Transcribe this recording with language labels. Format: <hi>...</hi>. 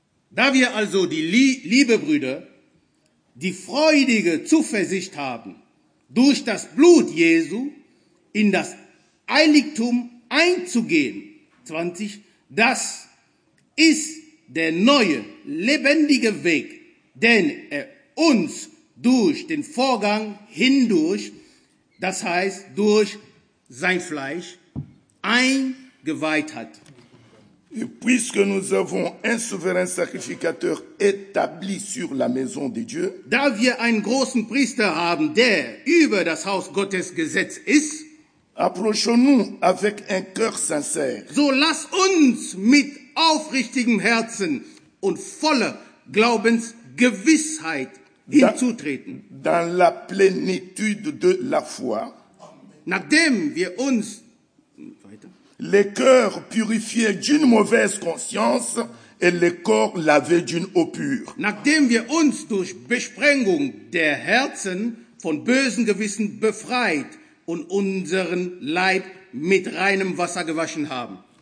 <de>Da wir also, die liebe Brüder, die freudige Zuversicht haben, durch das Blut Jesu in das Heiligtum einzugehen, 20, das ist der neue, lebendige Weg, den er uns durch den Vorhang hindurch, das heißt durch sein Fleisch, eingeweiht hat.</de> <fr>Et puisque nous avons un souverain sacrificateur établi sur la maison de Dieu,</fr> <de>da wir einen großen Priester haben, der über das Haus Gottes gesetzt ist,</de> <fr>approchons-nous avec un cœur sincère.</fr> <de>So lass uns mit aufrichtigem Herzen und voller Glaubensgewissheit hinzutreten.</de> <fr>Dans la plénitude de la foi,</fr> <de>nachdem wir uns</de> <fr>les cœurs purifiés d'une mauvaise conscience et les corps lavés d'une eau pure.</fr> <de>Nachdem wir uns durch Besprengung der Herzen von bösen Gewissen befreit und unseren Leib mit reinem Wasser gewaschen haben.</de>